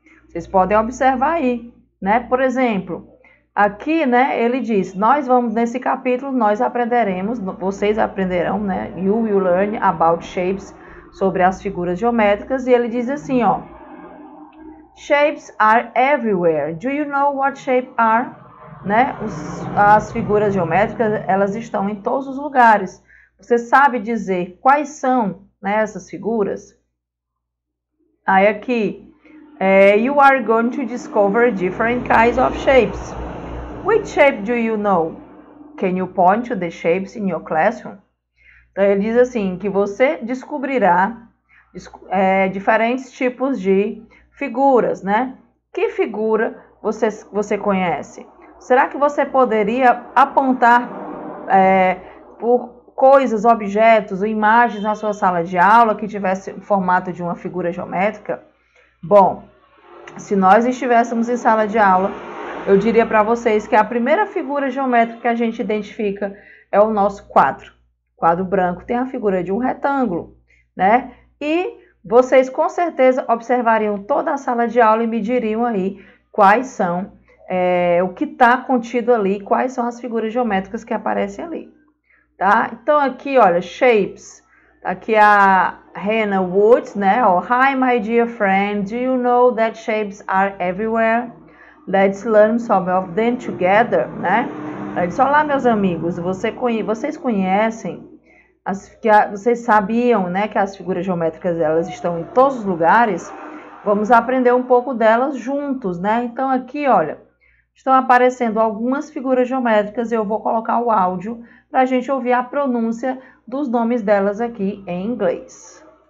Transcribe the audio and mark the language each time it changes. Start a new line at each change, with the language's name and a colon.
Portuguese: Vocês podem observar aí, né? Por exemplo, aqui, né, ele diz, nós vamos, nesse capítulo, nós aprenderemos, vocês aprenderão, né,
English: you will learn about shapes,
Portuguese: sobre as figuras geométricas, e ele diz assim, ó,
English: shapes are everywhere, do you know what shape are?
Portuguese: Né, as figuras geométricas, elas estão em todos os lugares. Você sabe dizer quais são, né, essas figuras? Aí aqui,
English: you are going to discover different kinds of shapes. Which shape do you know? Can you point to the shapes in your classroom?
Portuguese: Então ele diz assim que você descobrirá diferentes tipos de figuras, né? Que figura você conhece? Será que você poderia apontar por coisas, objetos, imagens na sua sala de aula que tivesse o formato de uma figura geométrica? Bom, se nós estivéssemos em sala de aula, eu diria para vocês que a primeira figura geométrica que a gente identifica é o nosso quadro. Quadro branco tem a figura de um retângulo, né? E vocês com certeza observariam toda a sala de aula e me diriam aí quais são, o que está contido ali, quais são as figuras geométricas que aparecem ali, tá? Então aqui, olha, shapes. Aqui a Hannah Woods, né?
English: Oh, hi, my dear friend. Do you know that shapes are everywhere? Let's learn some of them together, né?
Portuguese: Ela disse, olá, meus amigos, vocês conhecem, vocês sabiam, né, que as figuras geométricas elas estão em todos os lugares? Vamos aprender um pouco delas juntos, né? Então aqui, olha, estão aparecendo algumas figuras geométricas e eu vou colocar o áudio para a gente ouvir a pronúncia dos nomes delas aqui em inglês.